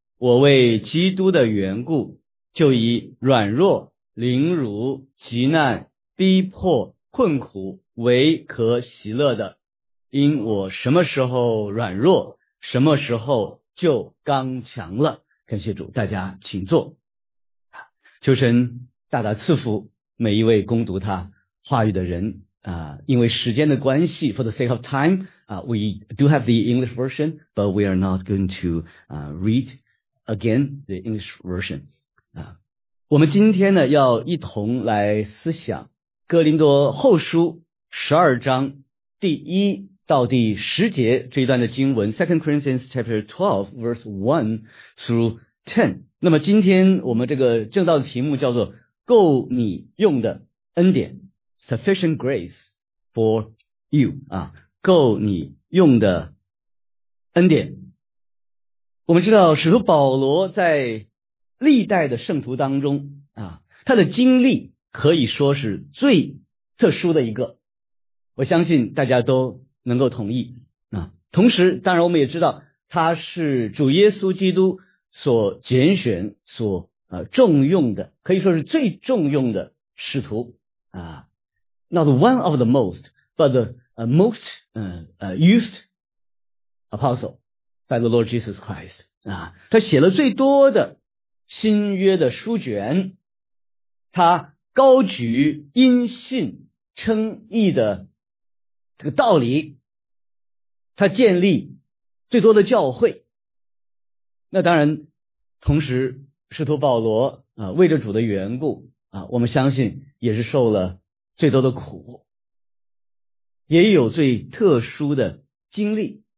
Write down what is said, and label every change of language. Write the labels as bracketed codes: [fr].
[zh] 我为基督的缘故，就以软弱、凌辱、极难、逼迫、困苦为可喜乐的。因我什么时候软弱，什么时候就刚强了。感谢主，大家请坐。求神大大赐福每一位攻读他话语的人啊！因为时间的关系 [en] ，for the sake of time, we do have the English version, but we are not going to read again the English version. [zh] 我们今天呢要一同来思想《哥林多后书》十二章第一到第十节这一段的经文 ， [en] Second Corinthians chapter 12 verse 1 through 10。 [zh] 那么今天我们这个正道的题目叫做“够你用的恩典”。 [en] Sufficient grace for you, [zh] 啊，够你用的恩典。我们知道使徒保罗在历代的圣徒当中啊，他的经历可以说是最特殊的一个。我相信大家都能够同意啊。同时当然我们也知道他是主耶稣基督所拣选所重用的，可以说是最重用的使徒啊。 [en] Not one of the most, but the most used apostle by the Lord Jesus Christ. [zh] 他写了最多的新约的书卷，他高举因信称义的这个道理，他建立最多的教会。那当然，同时使徒保罗为着主的缘故我们相信也是受了最多的苦，也有最特殊的经历。